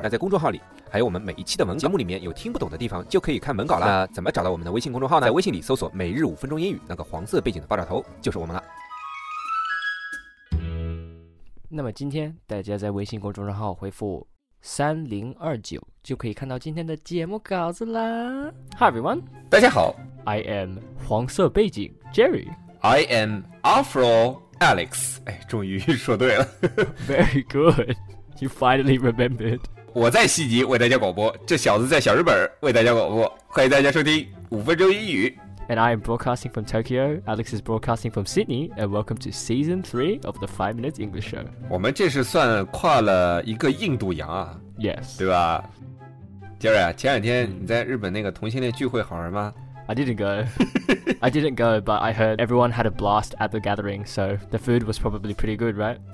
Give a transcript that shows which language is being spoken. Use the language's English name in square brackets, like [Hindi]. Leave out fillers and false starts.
[Chinese] 那在公众号里还有我们每一期的文稿，节目里面有听不懂的地方就可以看文稿了。那怎么找到我们的微信公众号呢？在微信里搜索每日五分钟英语，那个黄色背景的爆炸头就是我们了。那么今天大家在微信公众号回复3029就可以看到今天的节目稿子啦。 [English] Hi everyone. [Chinese] 大家好。 [English] I am 黄色背景 Jerry. I am Afro Alex. [Chinese] 哎，终于说对了。 [English] Very good. You finally remembered. [Chinese] 我在悉尼为大家广播，这小子在小日本为大家广播。欢迎大家收听五分钟英语。 [English] And I am broadcasting from Tokyo. Alex is broadcasting from Sydney. And welcome to season 3 of the 5 Minutes English Show. [Chinese] 我们这是算跨了一个印度洋啊。 [English] Yes. [Chinese] 对吧 ？Jerry 啊，前两天你在日本那个同性恋聚会好玩吗 [English] ？I didn't go. I didn't go, but I heard everyone had a blast at the gathering. So the food was probably pretty good, right?